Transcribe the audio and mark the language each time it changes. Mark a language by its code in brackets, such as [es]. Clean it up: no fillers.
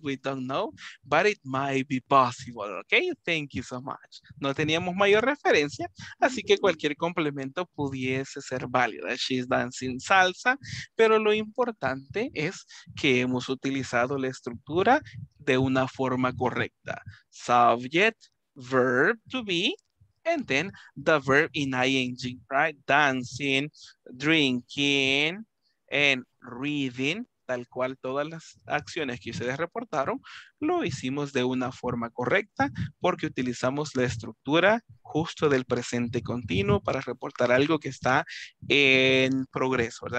[en] We don't know, but it might be possible, okay? Thank you so much. [es] No teníamos mayor referencia, así que cualquier complemento pudiese ser válido. [en] She's dancing salsa, [es] pero lo importante es que hemos utilizado la estructura de una forma correcta. [en] Subject, verb to be, and then the verb in ing, right? Dancing, drinking, and reading. [es] Tal cual todas las acciones que ustedes reportaron, lo hicimos de una forma correcta porque utilizamos la estructura justo del presente continuo para reportar algo que está en progreso, ¿verdad?